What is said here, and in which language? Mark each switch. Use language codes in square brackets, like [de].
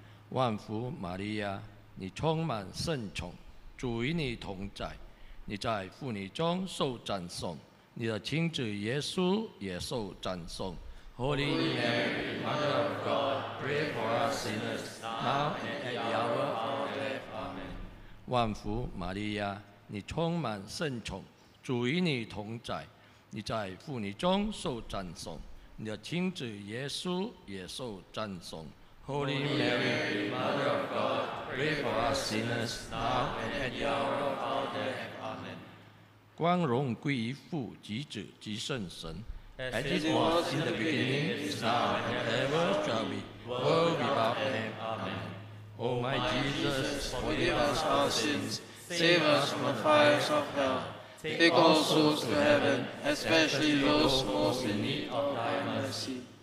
[zh] 万福玛利亚，你充满圣宠，主与你同在，你在妇女中受赞颂，你的亲子耶稣也受赞颂。 [en] Holy Mary, Mother of God, pray for us sinners now and at the hour of our death. Amen. [zh] 万福玛利亚，你充满圣宠，主与你同在，你在妇女中受赞颂，你的亲子耶稣也受赞颂。 [en] Holy Mary, Mother of God, pray for us sinners now and at the hour of our death. [zh] 万福玛利亚，你充满圣宠，主与你同在。你在妇女中受赞颂，你的亲子耶稣也受赞颂。 [en] Holy Mary, Mother of God, pray for us sinners now and at the hour of our death. Amen. [zh] 光荣归于父及子及圣神， [en] as it was in the beginning, is now, and ever shall be, world without end. Amen. O my Jesus, forgive us our sins, save us from the fires of hell. Take all souls to heaven, especially those most in need of thy mercy.